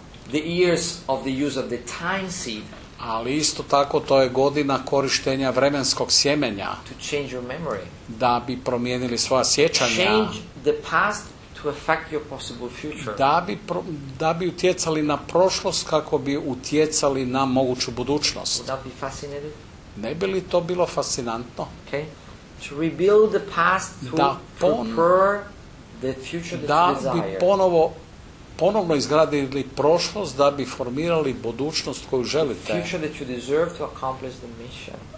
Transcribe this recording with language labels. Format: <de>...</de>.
<en>The years of the use of the time seed.</en> <hr>Ali isto tako to je godina korištenja vremenskog sjemenja.</hr> <en>To change your memory.</en> <hr>Da bi promijenili svoja sjećanja.</hr> <en>Change the past to affect your possible future.</en> <hr>Da bi utjecali na prošlost kako bi utjecali na moguću budućnost.</hr> <en>Would that be fascinating?</en> <hr>Ne bi li to bilo fascinantno?</hr> <en>Okay. To rebuild the past to prepare the future that you desire.</en> <hr>Da bi ponovno izgradili prošlost da bi formirali budućnost koju želite.</hr> <en>Future that you deserve to accomplish the mission.</en>